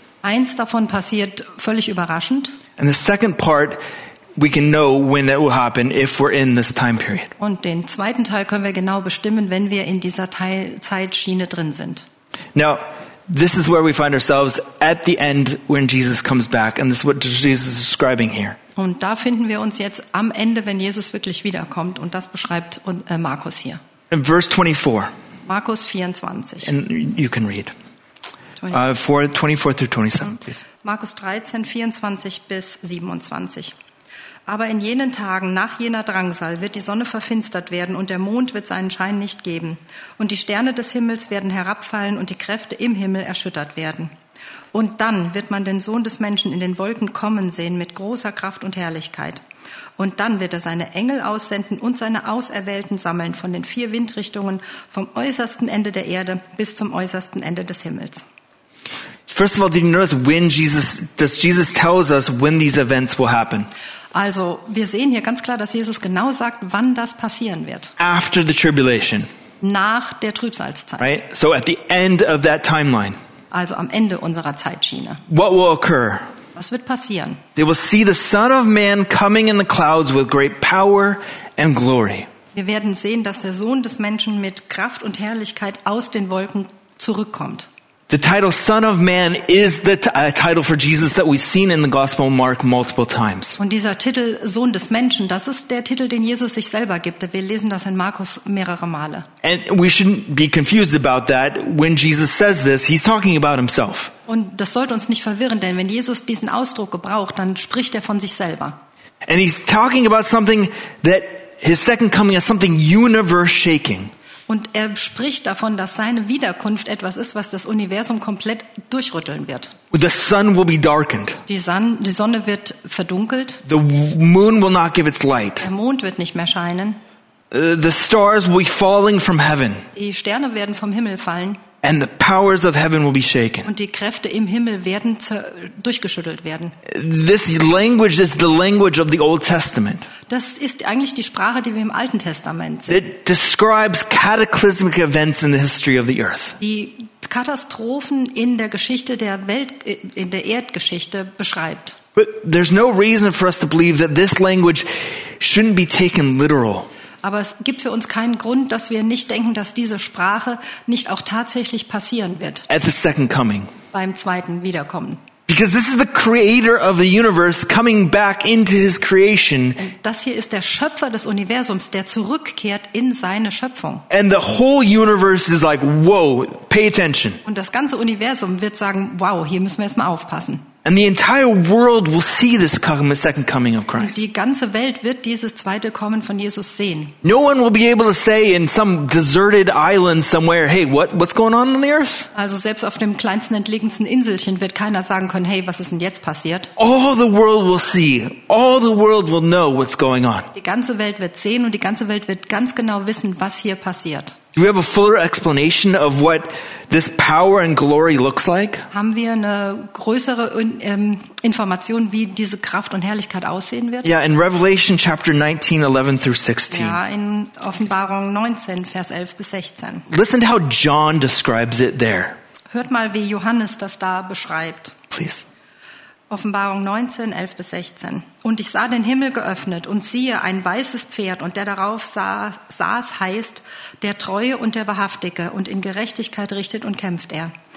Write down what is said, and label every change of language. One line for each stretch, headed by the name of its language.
German: Eins davon passiert völlig überraschend.
English: And the second part we can know when it will happen if we're in this time period.
German: Und den zweiten Teil können wir genau bestimmen, wenn wir in dieser Zeitschiene drin sind.
English: Now, this is where we find ourselves at the end when Jesus comes back, and this is what Jesus is describing here.
German: Und da finden wir uns jetzt am Ende, wenn Jesus wirklich wiederkommt, und das beschreibt Markus hier.
English: In verse 24.
German: Markus 24.
English: And you can read. 24 through 27, please.
German: Markus 13, 24 bis 27. Aber in jenen Tagen nach jener Drangsal wird die Sonne verfinstert werden und der Mond wird seinen Schein nicht geben. Und die Sterne des Himmels werden herabfallen und die Kräfte im Himmel erschüttert werden. Und dann wird man den Sohn des Menschen in den Wolken kommen sehen mit großer Kraft und Herrlichkeit. Und dann wird er seine Engel aussenden und seine Auserwählten sammeln von den vier Windrichtungen vom äußersten Ende der Erde bis zum äußersten Ende des Himmels.
English: First of all, did you notice Jesus tells us when these events will happen?
German: Also, wir sehen hier ganz klar, dass Jesus genau sagt, wann das passieren wird.
English: After the tribulation.
German: Nach der Trübsalzeit.
English: Right? So at the end of that timeline.
German: Also am Ende unserer Zeitschiene.
English: What will occur?
German: Was wird passieren?
English: They will see the Son of Man coming in the clouds with great power and glory.
German: Wir werden sehen, dass der Sohn des Menschen mit Kraft und Herrlichkeit aus den Wolken zurückkommt.
English: The title Son of Man is the title for Jesus that we've seen in the Gospel of Mark multiple times.
German: Und dieser Titel Sohn des Menschen, das ist der Titel, den Jesus sich selber gibt. Wir lesen das in Markus mehrere Male.
English: And we shouldn't be confused about that. When Jesus says this, he's talking about himself.
German: Und das sollte uns nicht verwirren, denn wenn Jesus diesen Ausdruck gebraucht, dann spricht er von sich selber.
English: And he's talking about something that his second coming is something universe shaking.
German: Und er spricht davon, dass seine Wiederkunft etwas ist, was das Universum komplett durchrütteln wird.
English: The sun will be darkened.
German: Die Sonne wird verdunkelt.
English: The moon will not give its light.
German: Der Mond wird nicht mehr scheinen.
English: The stars will be falling from heaven.
German: Die Sterne werden vom Himmel fallen.
English: And the powers of heaven will be shaken.
German: Und die Kräfte im Himmel werden durchgeschüttelt werden.
English: This language is the language of the Old Testament.
German: Das ist eigentlich die Sprache, die wir im Alten Testament sehen.
English: It describes cataclysmic events in the history of the earth.
German: Die Katastrophen in der Geschichte der Welt, in der Erdgeschichte beschreibt.
English: But there's no reason for us to believe that this language shouldn't be taken literal.
German: Aber es gibt für uns keinen Grund, dass wir nicht denken, dass diese Sprache nicht auch tatsächlich passieren wird.
English: At the second coming.
German: Beim zweiten Wiederkommen.
English: Because this is the creator of the universe coming back into his creation.
German: Das hier ist der Schöpfer des Universums, der zurückkehrt in seine Schöpfung.
English: And the whole universe is like, whoa, pay attention.
German: Und das ganze Universum wird sagen, wow, hier müssen wir erstmal aufpassen.
English: And the entire world will see this second coming of Christ.
German: Die ganze Welt wird dieses zweite Kommen von Jesus sehen.
English: No one will be able to say in some deserted island somewhere, hey, what's going on the earth?
German: Also selbst auf dem kleinsten entlegensten Inselchen wird keiner sagen können, hey, was ist denn jetzt passiert?
English: All the world will see. All the world will know what's going on.
German: Die ganze Welt wird sehen und die ganze Welt wird ganz genau wissen, was hier passiert.
English: Do we have a fuller explanation of what this power and glory looks like?
German: Haben wir eine größere Information, wie diese Kraft und Herrlichkeit aussehen wird?
English: Yeah, in Revelation chapter 19, 11 through 16.
German: Ja, in Offenbarung 19, Vers 11 bis 16.
English: Listen to how John describes it there.
German: Hört mal, wie Johannes das da beschreibt.
English: Please.
German: Offenbarung 19, 11 bis 16. Und ich sah den Himmel geöffnet und siehe ein weißes Pferd und der darauf saß heißt der Treue und der Wahrhaftige und in Gerechtigkeit richtet und kämpft er.